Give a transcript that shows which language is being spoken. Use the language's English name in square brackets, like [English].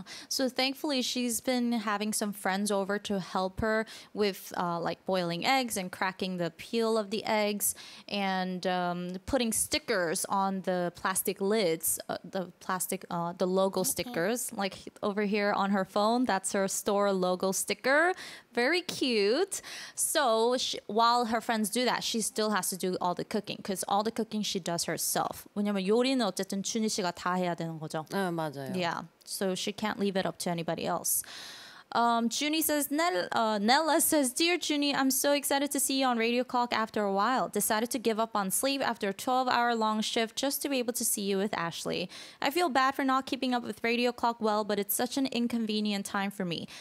[English] So thankfully she's been having some friends over to help her with like boiling eggs and cracking the peel of the eggs and putting stickers on the plastic lids, the logo stickers. Okay. Like over here on her phone, that's her store logo sticker. Very cute. So while her friends do that, she still has to do all the cooking because all the cooking she does herself. [Korean] 왜냐면 요리는 어쨌든 준희 씨가 다 해야 되는 거죠. 네, 맞아요. [English] Yeah. So she can't leave it up to anybody else. Junie says, Nella says, Dear Junie, I'm so excited to see you on Radio Clock after a while. Decided to give up on sleep after a 12-hour long shift just to be able to see you with Ashley. I feel bad for not keeping up with Radio Clock well, but it's such an inconvenient time for me.